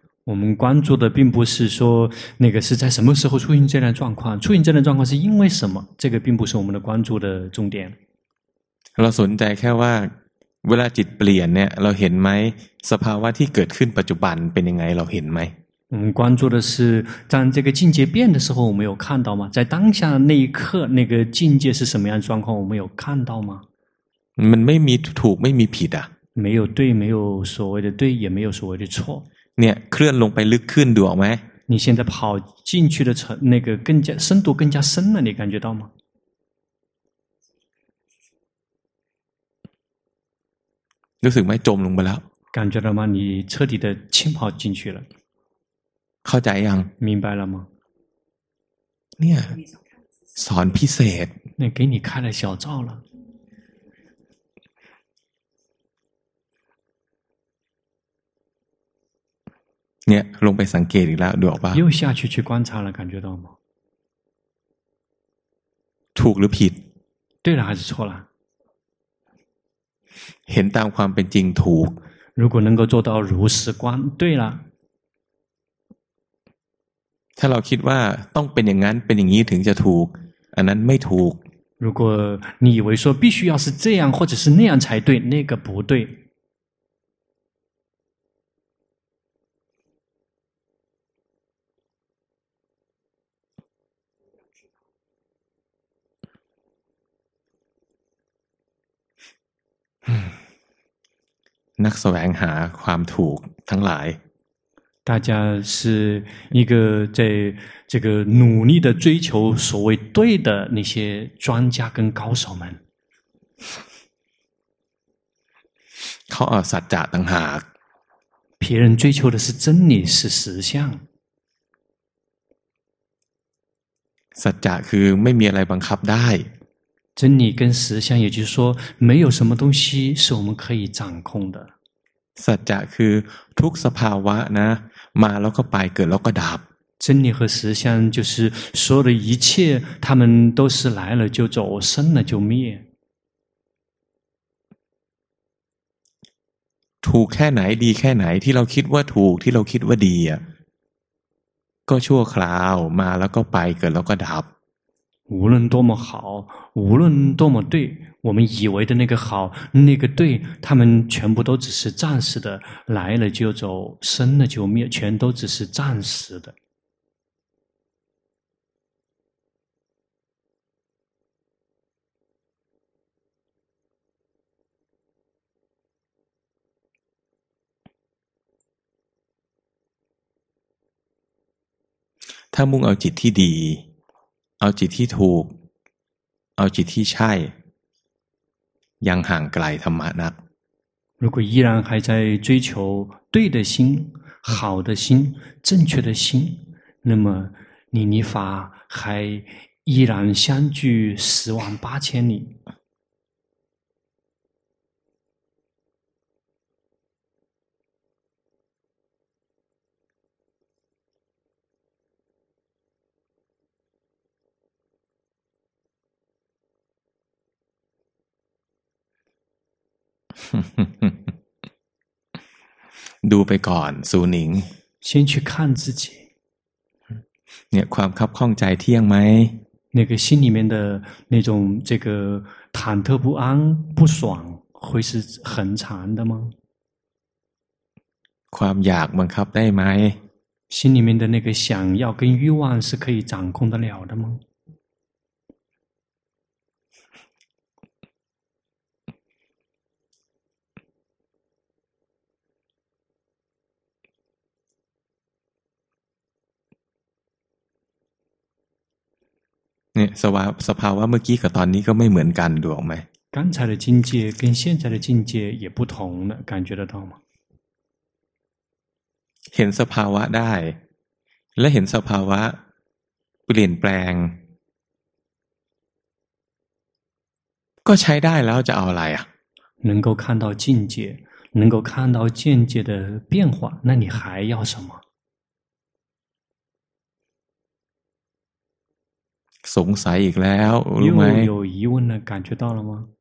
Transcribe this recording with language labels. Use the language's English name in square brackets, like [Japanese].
[Chinese] 我们关注的并不是说那个是在什么时候出现这样的状况出现这样的状况是因为什么这个并不是我们的关注的重点 [Thai] เราสนใจแค่ว่าเวลาจิตเปลี่ยนเนี่ยเราเห็นไหมสภาวะที่เกิดขึ้นปัจจุบันเป็นยังไงเราเห็นไหม เราความจุดคือตอนที่เกิดจิตเปลี่ยนในช่วงเราไม่เห็นมั้ยใน [Chinese] 当下那一刻那个境界是什么样状况我们有看到吗 [Thai] มันไม่มีถูกไม่มีผิดอ่ะ [Chinese] 没有对没有所谓的对也没有所谓的错 [Thai] เนี่ยเคลื่อนลงไปลึกขึ้นดูออกมั้ย [Chinese] 你现在跑进去的程那个更加深度更加深了，你感觉到吗？ [Thai] รู้สึกไหมจมลงไปแล้ว [Chinese] 感觉到吗？你彻底的浸泡进去了。 [Thai] เข้าใจยัง [Chinese] 明白了吗？ [Thai] เนี่ยสอนพิเศษ [Chinese] 那给你开了小灶了。 [Thai] เนี่ยลงไปสังเกตอีกแล้วดูออกป่ะ [Chinese] 又下去去观察了感觉到吗 [Thai] ถูกหรือผิด [Chinese] 对了还是错了 [Thai] เห็นตามความเป็นจริงถูก [Chinese] 如果能够做到如实观对了 [Thai] ถ้าเราคิดว่าต้องเป็นอย่างนั้นเป็นอย่างนี้ถึงจะถูกอันนั้นไม่ถูก [Chinese] 如果你以为说必须要是这样或者是那样才对那个不对 [Thai] นักแสวงหาความถูกทั้งหลาย [Chinese] 大家是一个在这个努力的追求所谓对的那些专家跟高手们 [Thai] เขาเอาสัจจะต่างหาก [Chinese] 别人追求的是真理是实相 [Thai] สัจจะคือไม่มีอะไรบังคับได้ [Chinese] 真理跟实相也就是说没有什么东西是我们可以掌控的 [Thai] สัจจะคือทุกสภาวะนะมาแล้วก็ไปเกิดแล้วก็ดับ [Chinese] 真理和实相就是所有的一切他们都是来了就走生了就灭 [Thai] ถูกแค่ไหนดีแค่ไหนที่เราคิดว่าถูกที่เราคิดว่าดีก็ชั่วคราวมาแล้วก็ไปเกิดแล้วก็ดับ [Chinese] 无论多么好无论多么对我们以为的那个好那个对他们全部都只是暂时的来了就走生了就灭全都只是暂时的 [Thai] ถ้ามุ่งเอาจิตที่ดีเอาจิตที่ถูกเอาจิตที่ใช่ยังห่างไกลธรรมะนัก [Chinese] 如果依然还在追求对的心好的心正确的心那么你离法还依然相距十万八千里 [Thai] ดูไปก่อนสูนิง [Chinese] 先去看自己 [Thai] เนี่ยความคับข้องใจเที่ยงไหม [Chinese] 那个心里面的那种这个忐忑不安不爽会是很缠的吗 [Thai] ความอยากบังคับได้ไหม [Chinese] 心里面的那个想要跟欲望是可以掌控得了的吗 [Thai] เนี่ยสภาวะเมื่อกี้กับตอนนี้ก็ไม่เหมือนกันดูออกไหม [Chinese] 刚才的境界跟现在的境界也不同了感觉得到吗 [Thai] เห็นสภาวะได้และเห็นสภาวะเปลี่ยนแปลงก็ใช้ได้แล้วจะเอาอะไรอ่ะ [Chinese] 能够看到境界能够看到境界的变化那你还要什么 [Thai] สงสัยอีกแล้วรู้ไหม [Chinese] 有疑问了感觉到了吗